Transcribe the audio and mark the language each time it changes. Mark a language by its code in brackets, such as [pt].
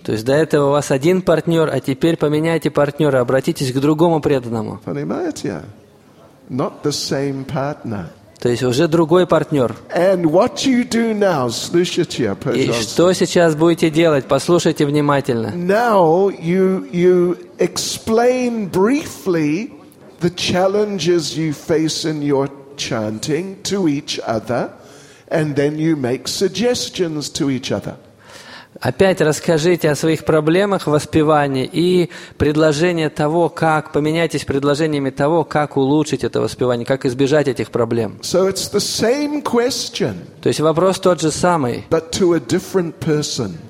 [ru] То есть до этого у вас один партнер, а теперь поменяйте партнера, обратитесь к другому преданному. Понимаете? [en] Not the same partner. [ru] То есть уже другой партнер. [en] And what you do now, [ru] слушайте, пожалуйста. И что сейчас будете делать? Послушайте внимательно. [en] Now you explain briefly the challenges you face in your chanting to each other. And then you make suggestions to each other. [ru] Опять расскажите о своих проблемах в воспевании и предложение того, как поменяйтесь предложениями того, как улучшить это воспевание, как избежать этих проблем. [en] So it's the same question. [ru] То есть вопрос тот же самый. [en] But to a different person.